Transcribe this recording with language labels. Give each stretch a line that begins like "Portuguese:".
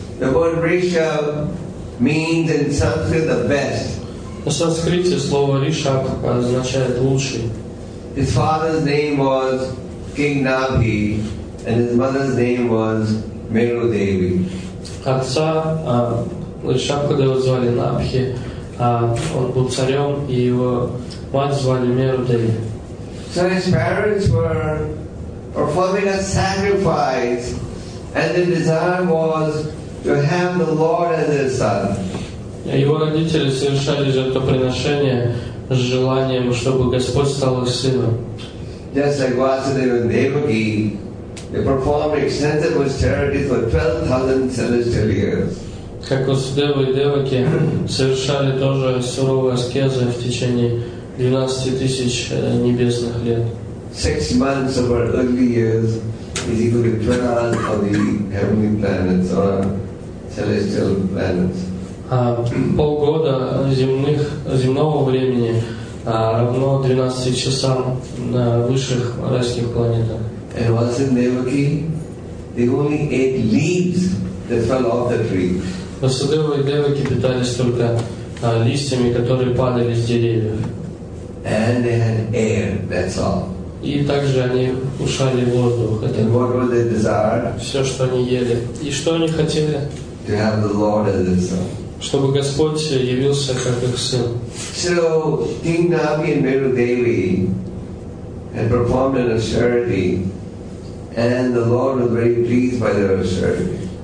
English: The word Risha means in Sanskrit the best.
Russian: На санскрите слово Ришабх означает лучший.
English: His father's name was King Nabhi, and his mother's name was Meru Devi.
Russian: Отца Ришабхадева звали Набхи, он был царем, и его мать звали Меру Деви.
English: So his parents were performing a sacrifice, and the desire was to have the Lord as their son.
Russian: Его родители совершали жертвоприношение с желанием, чтобы Господь стал их сыном.
English: Just like Vasudeva and Devaki, they performed extensive austerities for 12,000 celestial years.
Russian: Как Васудева и Деваки совершали тоже суровые аскезы в течение 12,000 небесных лет.
English: 6 months of our early years is equal to 12 hours of the heavenly planets or celestial planets.
Russian: Полгода земного времени равно 12 часам на высших райских планетах.
English: And Vasudevaki, they only ate leaves that fell off the tree.
Russian: Васудева и Деваки питались только листьями, которые падали с деревьев.
English: And they had air, that's all.
Russian: И также они кушали воздух.
English: And
Russian: это
English: what were their desire?
Russian: Все, что они ели. И что они хотели?
English: To have the Lord as their son.
Russian: Чтобы Господь явился как их сын.
English: So King Nabhi and Meru Devi had performed an austerity, and the Lord was very pleased by their austerity.